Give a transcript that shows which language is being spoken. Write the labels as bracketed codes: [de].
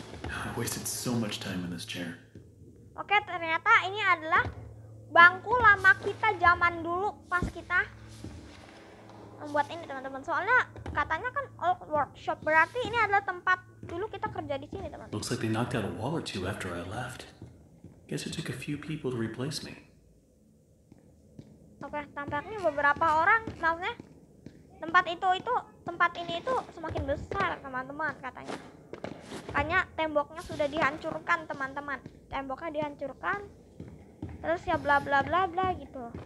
[en] I wasted so much time in this chair. [id] Oke, ternyata ini adalah bangku lama kita zaman dulu pas kita membuat ini, teman-teman. Soalnya katanya kan old workshop, berarti ini adalah tempat dulu kita kerja di sini, teman-teman. [en] Looks like they knocked out a wall or two after I left. Guess it took a few people to replace me. [id] Oke, tampaknya beberapa orang, maksudnya tempat ini itu semakin besar, teman-teman, katanya. Makanya temboknya sudah dihancurkan, teman-teman. Temboknya dihancurkan. Terus ya bla bla bla bla gitu.